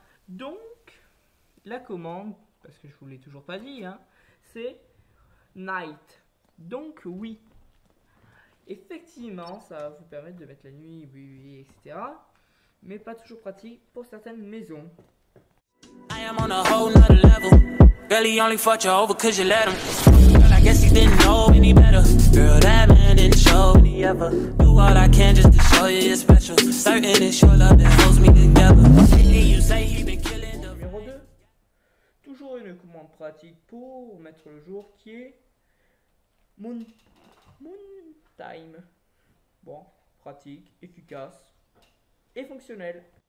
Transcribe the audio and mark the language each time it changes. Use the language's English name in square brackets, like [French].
[French] Donc la commande, parce que je vous l'ai toujours pas dit, c'est night. Donc oui, effectivement, ça va vous permettre de mettre la nuit, oui, etc. Mais pas toujours pratique pour certaines maisons. [English] I am on a whole nother level. Girl, he only fought you over cause you let him. Girl, I guess he didn't know any better. Girl, that man didn't show me ever. Do all I can just to show you you're special. Certain it's your love that holds me together. Lately, you say he been killing the... [French] Numéro 2. Toujours une commande pratique pour mettre le jour qui est... Moon time. Bon, pratique, efficace et fonctionnel.